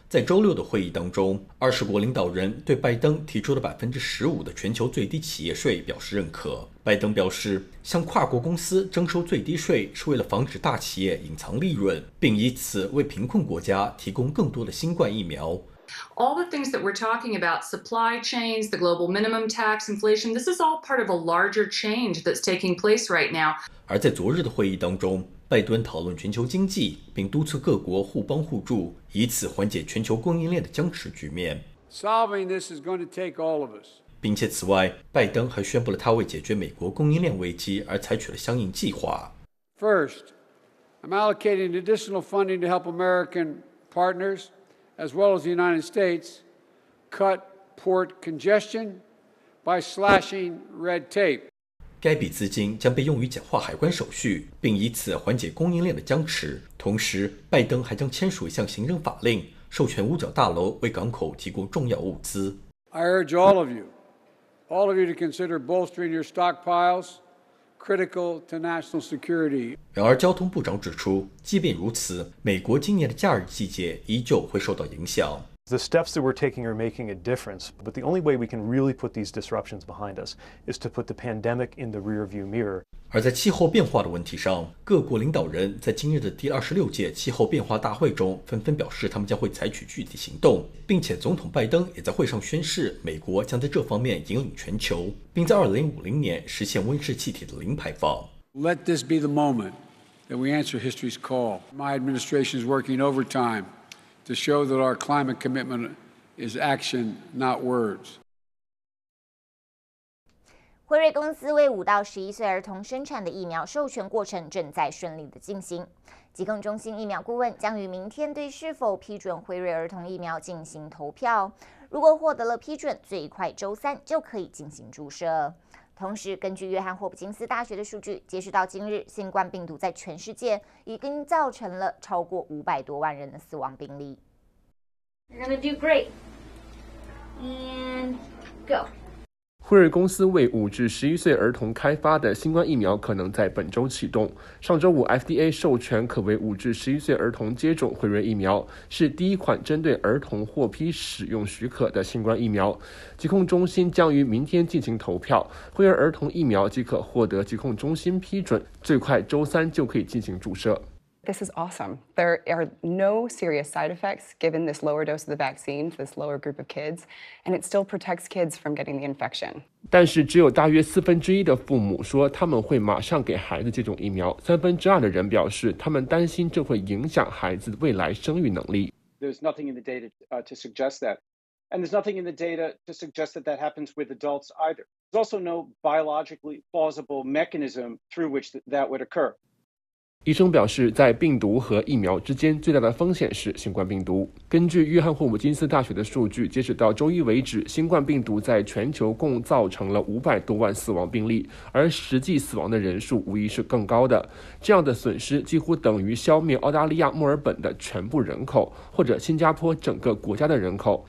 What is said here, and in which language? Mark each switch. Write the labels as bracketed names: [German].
[Chinese] 在周六的会议当中，20国领导人对拜登提出的15%的全球最低企业税表示认可。拜登表示，向跨国公司征收最低税是为了防止大企业隐藏利润，并以此为贫困国家提供更多的新冠疫苗。 [English] All the things that we're talking about, supply chains, the global minimum tax, inflation, this is all part of a larger change that's taking place right now. [Chinese] 而在昨日的会议当中，拜登讨论全球经济，并督促各国互帮互助，以此缓解全球供应链的僵持局面。 [English] Solving this is going to take all of us. [Chinese] 并且此外，拜登还宣布了他为解决美国供应链危机而采取了相应计划。 [English] First, I'm allocating additional funding to help American partners. As well as the United States, cut port congestion by slashing red tape. [Chinese] 该笔资金将被用于简化海关手续，并以此缓解供应链的僵持。同时，拜登还将签署一项行政法令，授权五角大楼为港口提供重要物资。 [English] I urge all of you to consider bolstering your stockpiles. Critical to national security. [Chinese] 然而，交通部长指出，即便如此，美国今年的假日季节依旧会受到影响。 [English] The steps that we're taking are making a difference, but the only way we can really put these disruptions behind us is to put the pandemic in the rearview mirror. [Chinese] 而在气候变化的问题上，各国领导人在今日的第26届气候变化大会中纷纷表示，他们将会采取具体行动，并且总统拜登也在会上宣誓，美国将在这方面引领全球，并在2050年实现温室气体的零排放。 [English] Let this be the moment that we answer history's call. My administration is working overtime. To show that our climate commitment is action, not words. [Chinese] 辉瑞公司为5到11岁儿童生产的疫苗授权过程正在顺利的进行。疾控中心疫苗顾问将于明天对是否批准辉瑞儿童疫苗进行投票。如果获得了批准，最快周3就可以进行注射。同时，根据约翰霍普金斯大学的数据，截至到今日，新冠病毒在全世界已经造成了超过500多万人的死亡病例。 [English] You're gonna do great, and go. [Chinese] 辉瑞公司为5至11岁儿童开发的新冠疫苗可能在本周启动。上周五 ，FDA 授权可为5至11岁儿童接种辉瑞疫苗，是第一款针对儿童获批使用许可的新冠疫苗。疾控中心将于明天进行投票，辉瑞儿童疫苗即可获得疾控中心批准，最快周3就可以进行注射。 [English] This is awesome. There are no serious side effects given this lower dose of the vaccine to this lower group of kids, and it still protects kids from getting the infection. [Chinese] 但是只有大约1/4的父母说他们会马上给孩子接种疫苗，2/3的人表示他们担心这会影响孩子未来生育能力。 [English] There's nothing in the data to suggest that, and there's nothing in the data to suggest that that happens with adults either. There's also no biologically plausible mechanism through which that would occur. [Chinese] 医生表示，在病毒和疫苗之间最大的风险是新冠病毒。根据约翰霍普金斯大学的数据，截止到周1为止，新冠病毒在全球共造成了500多万死亡病例，而实际死亡的人数无疑是更高的。这样的损失几乎等于消灭澳大利亚墨尔本的全部人口，或者新加坡整个国家的人口。